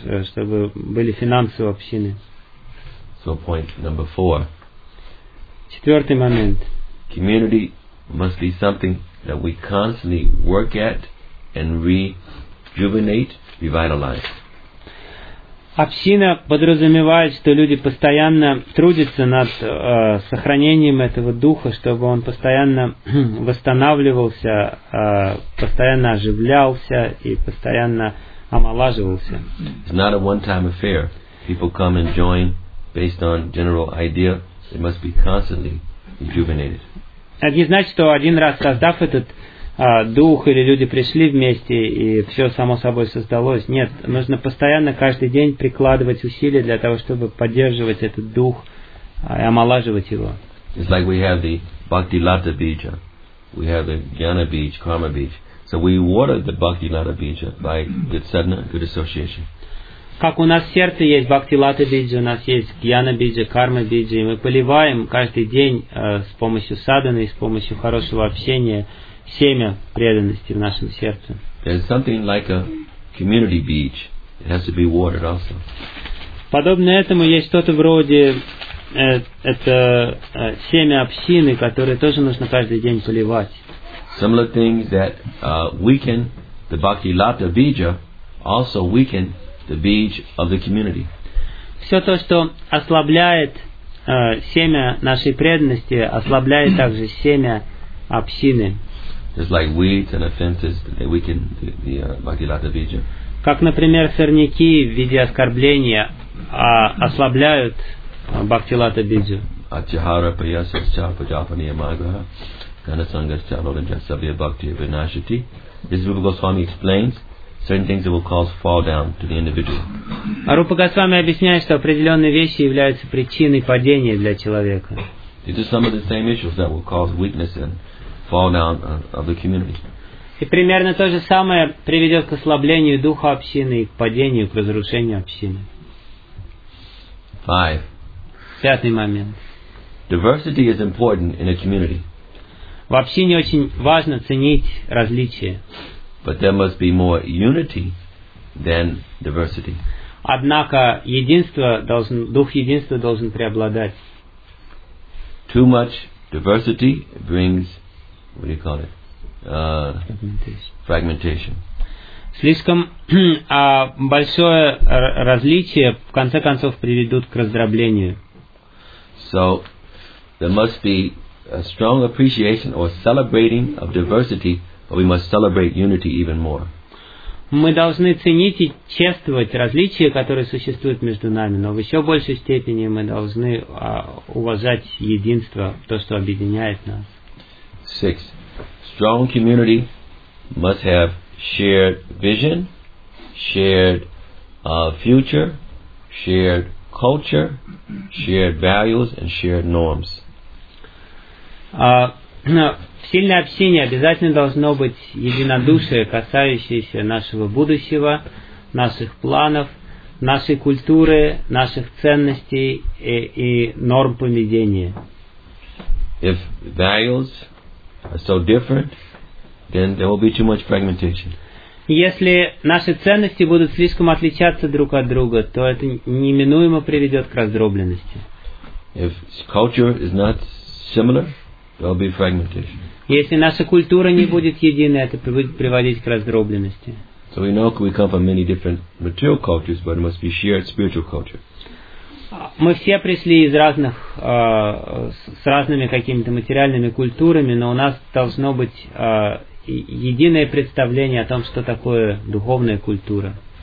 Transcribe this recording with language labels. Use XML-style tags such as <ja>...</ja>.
<ru>чтобы были финансы общины.</ru> <en>So point number four.</en> <ru>Четвертый момент.</ru> <en>Community must be something that we constantly work at and rejuvenate, revitalize.</en> <ru>Община подразумевает, что люди постоянно трудятся над сохранением этого духа, чтобы он постоянно восстанавливался, постоянно оживлялся и постоянно омолаживался.</ru> <en>It's not a one-time affair. People come and join based on general idea. It must be constantly rejuvenated.</en> <ru>Это не значит, что один раз создав этот дух или люди пришли вместе и все само собой создалось. Нет, нужно постоянно каждый день прикладывать усилия для того, чтобы поддерживать этот дух и омолаживать его.</ru> <en>It's like we have the Bhakti Lata Bija, we have the Jnana Bija, Karma Bija. So we water the Bhakti Lata Bija by good sadhana, good association.</en> <ru>Как у нас в сердце есть Бхакти Лата Биджа, у нас есть Гьяна Биджа, Карма Биджа, и мы поливаем каждый день с помощью садханы, с помощью хорошего общения семя преданности в нашем сердце.</ru> <en>There's something like a community beach. It has to be watered also.</en> <ru>Подобно этому есть что-то вроде это семя общины, которое тоже нужно каждый день поливать.</ru> <en>Similar things that weaken the Бхакти Лата Биджа also weaken the beach of the community.</en> <ru>Все то, что ослабляет семя нашей преданности, ослабляет также семя общины.</ru> <en>Just like weeds and offenses, they weaken the Bhakti Lata Bija.</en> <ru>Как, например, сорняки в виде оскорбления ослабляют Бхакти Лата Биджу.</ru> <sa>Ачхара паясасча паджапаниа магаха ганасангасча логанчасабья бхакти винашати.</sa> <en>This is Rupa Goswami explains certain things that will cause fall down to the individual.</en> <ru>Рупа Госвами объясняет, что определенные вещи являются причиной падения для человека.</ru> <en>These are some of the same issues that will cause weakness and fall down of the community.</en> <ru>И примерно то же самое приведет к ослаблению духа общины и к падению, к разрушению общины.</ru> <en>Five.</en> <ru>Пятый момент.</ru> <en>Diversity is important in a community.</en> <ru>В общине очень важно ценить различия.</ru> <en>But there must be more unity than diversity.</en> <ru>Однако единство должен, дух единства должен преобладать.</ru> <en>Too much diversity brings, what do you call it? Fragmentation.</en> <ru>Слишком большое различие в конце концов приведут к раздроблению.</ru> <en>So there must be a strong appreciation or celebrating of diversity. But we must celebrate unity even more.</en> <ru>Мы должны ценить и чествовать различия, которые существуют между нами, но в еще большей степени мы должны уважать единство, то, что объединяет нас.</ru> <en>Six. Strong community must have shared vision, shared future, shared culture, shared values, and shared norms.</en> <ru>В сильной общине обязательно должно быть единодушие, касающееся нашего будущего, наших планов, нашей культуры, наших ценностей и норм поведения.</ru> <en>If values are so different, then there will be too much fragmentation.</en> <ru>Если наши ценности будут слишком отличаться друг от друга, то это неминуемо приведет к раздробленности.</ru> <en>If culture is not similar, there will be fragmentation.</en> <ru>Если наша культура не будет единой, это будет приводить к раздробленности.</ru> <en>So we know we come from many different material cultures, but it must be shared spiritual culture.</en> <ru>Мы все пришли из разных, с разными какими-то материальными культурами, но у нас должно быть единое представление о том, что такое духовная культура.</ru>